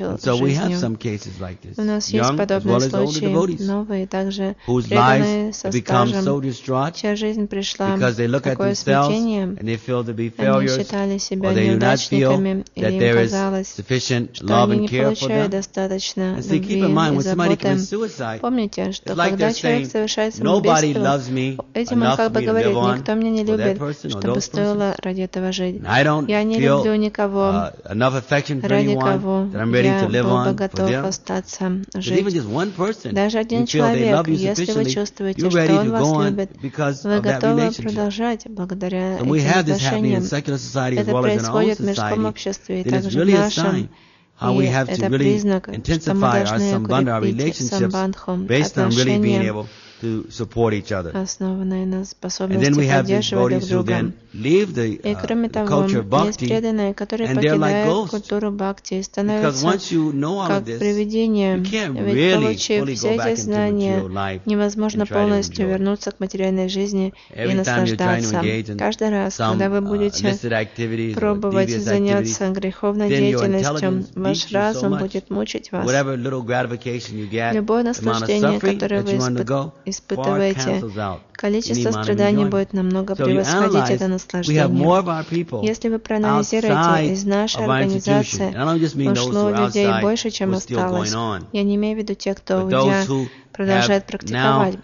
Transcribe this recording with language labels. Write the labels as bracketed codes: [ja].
[en] And so we have some cases like this, young as well as older devotees, whose lives have become so distraught because they look at themselves and they feel to be failures, or they do not feel that there is sufficient love and care for them. And see, keep in mind, when somebody commits suicide, [ru] понятие, что когда человек совершает самоубийство, этим он как бы говорит, никто меня не любит, чтобы стоило ради этого жить. Я не люблю никого, ради кого я был бы готов остаться жить. Даже один человек, если вы чувствуете, что он вас любит, вы готовы продолжать благодаря этим отношениям. Это происходит в мирском обществе и также в нашем. [en] How we have to really intensify our sambandha, our relationships, based on really being able to support each other. And then we have these bodies who then leave the culture of bhakti, and they're like ghosts. Because once you know all of this, you can't really fully go back into material life and try to enjoy it. Every time you're trying to engage in some illicit activities or devious activities, then your intelligence beats you so much. Whatever little gratification you get, the amount of suffering that you undergo, [ru] испытываете, количество страданий будет намного превосходить это наслаждение. Если вы проанализируете, из нашей организации ушло людей больше, чем осталось. Я не имею в виду тех, кто продолжает практиковать.